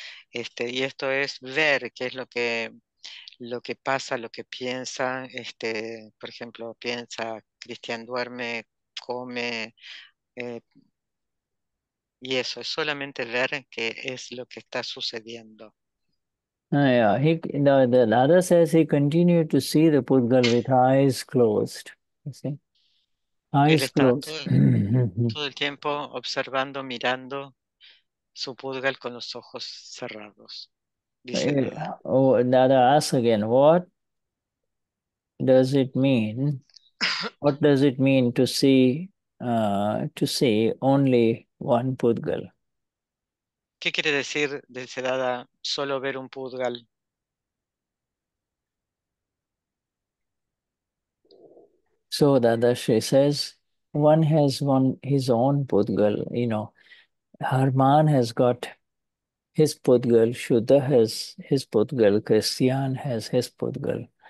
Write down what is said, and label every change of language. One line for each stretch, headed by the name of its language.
Spanish: Y esto es ver qué es lo que pasa, lo que piensa. Por ejemplo, piensa, Cristian duerme, come, y eso, es solamente ver qué es lo que está sucediendo.
English: Yeah, the Lada says he continued to see the pudgal with eyes closed. You see? Eyes closed.
Spanish: Todo el tiempo observando, mirando su pudgal con los ojos cerrados.
English: Dada asks again, what does it mean? What does it mean to see only one pudgal?
Spanish: ¿Qué quiere decir, dice Dada, solo ver un pudgal?
English: So Dada, she says, one has his own pudgal, you know. Her man has got his Pudgal, Shuddha has his Pudgal, Cristian has his Pudgal.